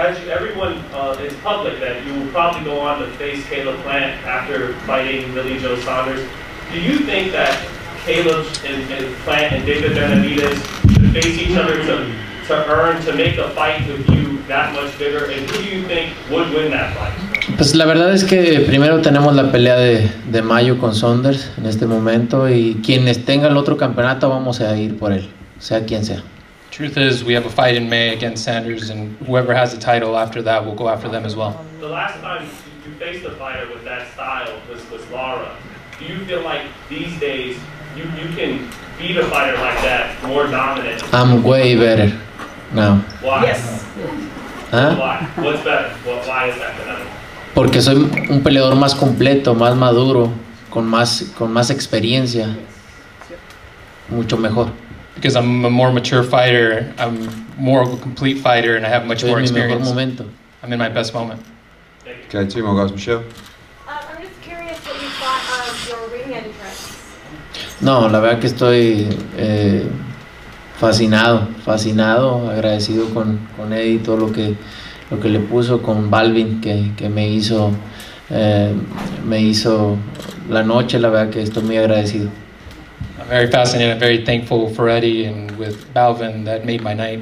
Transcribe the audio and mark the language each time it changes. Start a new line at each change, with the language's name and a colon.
English: Everyone is public that you will probably go on to face Caleb Plant after fighting Billy Joe Saunders. Do you think that Caleb and Plant and David Benavidez should face each other to earn, to make a fight with you that much bigger? And who do you think would win that fight?
Spanish: Pues la verdad es que primero tenemos la pelea de mayo con Saunders en este momento, y quienes tengan el otro campeonato vamos a ir por él, sea quien sea.
English: Truth is, we have a fight in May against Saunders, and whoever has the title after that, we'll go after them as well. The last time you faced a fighter with that style was Lara. Do you feel like these days you can beat a fighter like that more dominant? I'm way better now. Why? Yes. Huh? Why? What's better? Why is that better?
Spanish: Porque soy un peleador más completo, más maduro, con más experiencia. Mucho mejor.
English: Because I'm a more mature fighter, I'm more of a complete fighter, and I have much more experience.
Spanish: Momento.
English: I'm in my best moment. Okay, two more guys, Michelle. I'm just curious what you thought of your ring entrance.
Spanish: No, la verdad que estoy fascinado, agradecido con Eddie, todo lo que le puso, con Balvin que me hizo la noche. La verdad que estoy muy agradecido.
English: I'm very fascinated, I'm very thankful for Eddie and with Balvin that made my night.